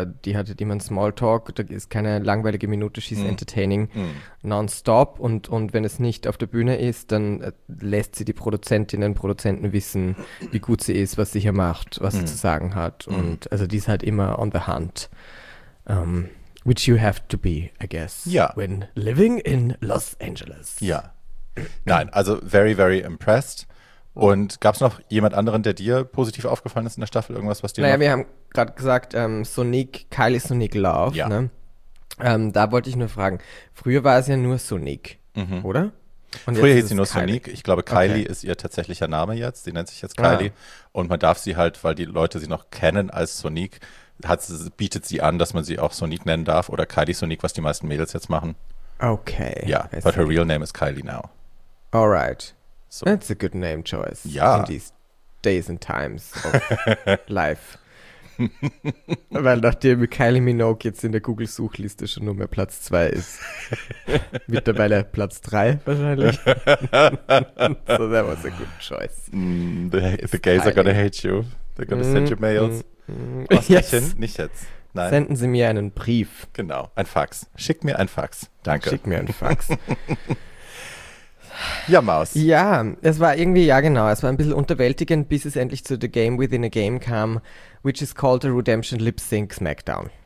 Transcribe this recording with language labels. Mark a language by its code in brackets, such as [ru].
[de] Die hat halt immer einen Smalltalk, da ist keine langweilige Minute, [en] she's entertaining nonstop. [de] Und wenn es nicht auf der Bühne ist, dann lässt sie die Produzentinnen und Produzenten wissen, wie gut sie ist, was sie hier macht, was sie zu sagen hat. Und also die ist halt immer [en] on the hunt. Which you have to be, I guess, when living in Los Angeles. [de] Ja, nein, also [en] very, very impressed. [de] Und gab es noch jemand anderen, der dir positiv aufgefallen ist in der Staffel? Irgendwas, was dir Naja, wir haben gerade gesagt, Sonique, Kylie Sonique Love. Ja. Ne? Da wollte ich nur fragen, früher war es ja nur Sonique, oder? Und früher hieß sie nur Kylie. Sonique. Ich glaube, Kylie ist ihr tatsächlicher Name jetzt. Sie nennt sich jetzt Kylie. Ah. Und man darf sie halt, weil die Leute sie noch kennen als Sonique, bietet sie an, dass man sie auch Sonique nennen darf. Oder Kylie Sonique, was die meisten Mädels jetzt machen. Okay. Ja, yeah. [en] But her real name is Kylie now. All right. So. That's a good name choice in these days and times of life. [de] Weil nachdem Kylie Minogue jetzt in der Google-Suchliste schon nur mehr Platz 2 ist, mittlerweile Platz 3 wahrscheinlich. [en] So that was a good choice. The gays Kylie. Are gonna hate you. They're gonna send you mails. [de] Yes. Nicht jetzt. Nein. Senden Sie mir einen Brief. Genau, ein Fax. Schick mir ein Fax. Danke. Schick mir ein Fax. Ja, Maus. Ja, es war irgendwie, es war ein bisschen unterwältigend, bis es endlich zu The Game Within a Game kam, [en] which is called a Redemption Lip Sync Smackdown.